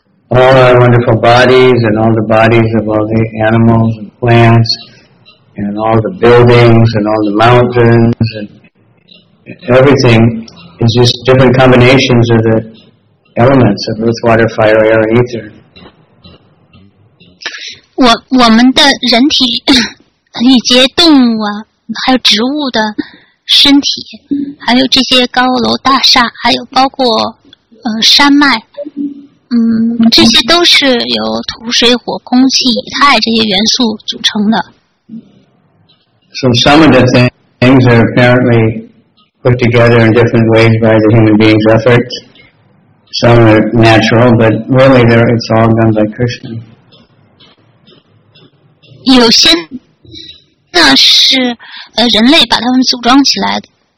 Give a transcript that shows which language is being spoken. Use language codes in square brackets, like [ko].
[en] All our wonderful bodies and all the bodies of all the animals and plants and all the buildings and all the mountains and everything is just different combinations of the elements of earth, water, fire, air, and ether. [zh] 我们的人体以及动物啊，还有植物的身体，还有这些高楼大厦，还有包括山脉，这些都是由土、水、火、空气、以太这些元素组成的。 [en] So some of the things are apparently put together in different ways by the human beings' efforts. Some are natural, but really it's all done by Krishna. [zh] 有些那是人类把它们组装起来的。